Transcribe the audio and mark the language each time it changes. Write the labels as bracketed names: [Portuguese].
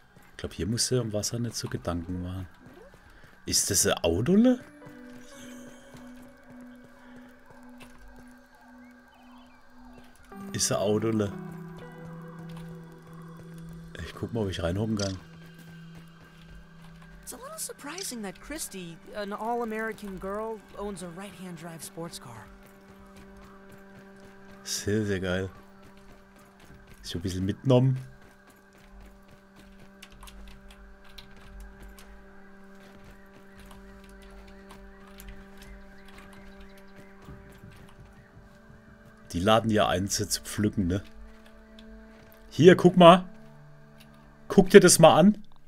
[German] Ich glaube, hier musst du im Wasser nicht so Gedanken machen. Ist das ein Audule? Ist ein Audule. Ich guck mal, ob ich reinhocken kann. [English] Surprising that Christy, an all-American girl, owns a right-hand drive sports car. [German] Sehr, sehr geil. Ist schon ein bisschen mitgenommen. Die laden ja eins zu pflücken, ne? Hier, guck mal. Guck dir das mal an.